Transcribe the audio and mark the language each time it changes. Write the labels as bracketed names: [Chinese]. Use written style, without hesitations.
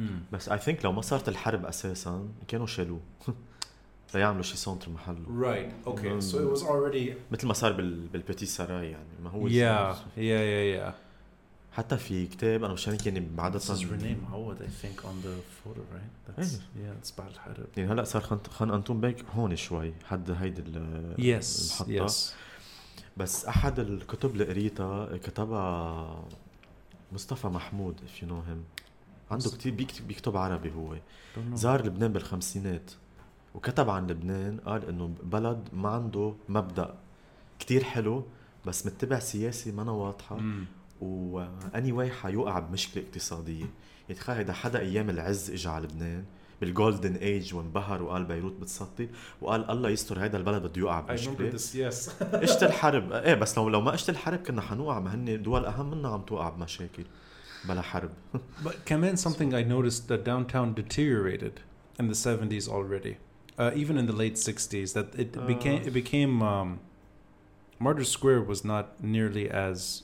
[Arabic] But I think لو ما صارت الحرب أساساً, كانوا شالوه. ليعملوا شي سنتر محله. [English] Right. Okay. So it was already. [Arabic] مثل ما صار بالبيتي سراي يعني ما هو. [English] Yeah. [Arabic] حتى في كتاب أنا مشان يعني بعد. [English] This is Rene Mohamad, I think, on the photo, right? That's, yeah. It's [Arabic] بعد الحرب. يعني هلا صار خان أنتون بيك هون شوي حد هيد ال. [English] Yes. [Arabic] المحطة. [English] Yes. [Arabic] بس أحد الكتب اللي قريتها كتبها مصطفى محمود [English] if you know him. [Arabic] عنده كتير بيكتب عربي هو. زار لبنان بالخمسينات. وكتب عن لبنان قال انه بلد ما عنده مبدا كتير حلو بس متبع سياسي ما انا واضحه واني واي حيوقع بمشكله اقتصاديه يتخيل اذا حدا ايام العز اجى على لبنان بالجولدن ايج وانبهر وقال بيروت بتسطل وقال الله يستر هذا البلد بده يوقع بمشكله اجت الحرب ايه بس لو ما اجت الحرب كنا حنوقع مهن دول اهم منا عم توقع بمشاكل بلا حرب [English] but [Arabic] كمان [English] something I noticed that downtown deteriorated in the 70s already even in the late 60s, that it became Martyr Square was not nearly as.